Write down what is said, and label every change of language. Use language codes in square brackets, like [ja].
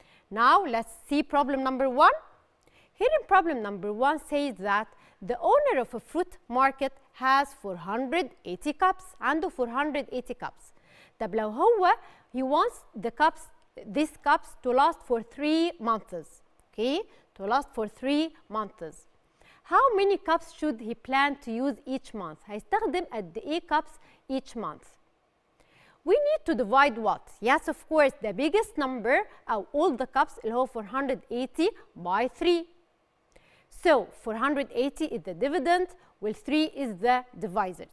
[en] Now let's see problem number one. Here in problem number one says that the owner of a fruit market has 480 cups. [ar] عنده 480 [en] cups. [ar] طب لو هو [en] he wants the cups these cups to last for 3 months. Okay, to last for 3 months. How many cups should he plan to use each month? [ar] هيستخدم قد إيه [en] cups each month. We need to divide what? Yes, of course, the biggest number of all the cups, [ar] اللي هو [en] 480, by 3. So, 480 is the dividend, while 3 is the divisor.